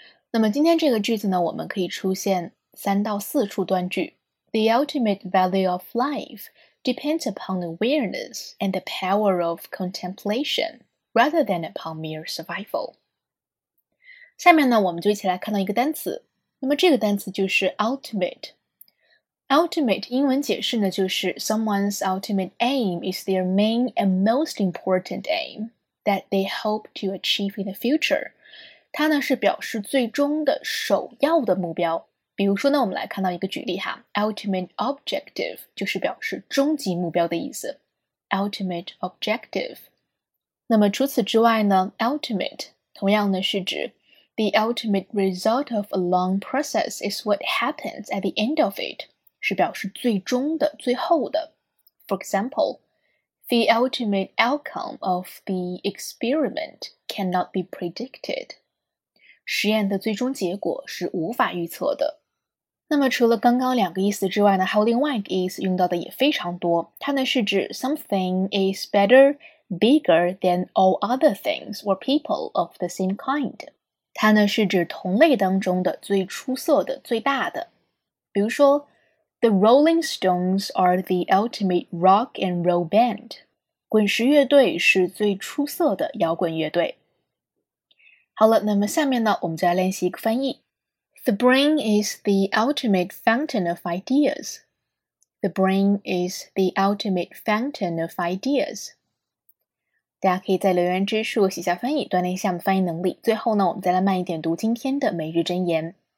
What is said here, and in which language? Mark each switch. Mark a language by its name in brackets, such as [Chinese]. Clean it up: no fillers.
[Chinese] 那么今天这个句子呢，我们可以出现三到四处断句。 [English] The ultimate value of life depends upon awareness and the power of contemplation, rather than upon mere survival. [Chinese] 下面呢，我们就一起来看到一个单词。那么这个单词就是 ultimate。 [English] Ultimate [Chinese] 英文解释呢，就是 [English] someone's ultimate aim is their main and most important aim that they hope to achieve in the future. [Chinese] 它呢是表示最终的首要的目标。比如说呢，我们来看到一个举例哈， [English] ultimate objective [Chinese] 就是表示终极目标的意思， ultimate objective。那么除此之外呢， ultimate 同样呢是指 [English] the ultimate result of a long process is what happens at the end of it， [Chinese] 是表示最终的、最后的。 [English] For example, the ultimate outcome of the experiment cannot be predicted. [Chinese] 实验的最终结果是无法预测的。那么除了刚刚两个意思之外呢，还有另外一个意思用到的也非常多。它呢是指 [English] something is better, bigger than all other things or people of the same kind. [Chinese] 它呢是指同类当中的最出色的、最大的。比如说 [English] The Rolling Stones are the ultimate rock and roll band. [Chinese] 滚石乐队是最出色的摇滚乐队。好了，那么下面呢，我们再来练习一个翻译。 [English] The brain is the ultimate fountain of ideas. The brain is the ultimate fountain of ideas. [Chinese] 大家可以在留言区写下翻译，锻炼一下我们翻译能力。最后呢，我们再来慢一点读今天的每日箴言。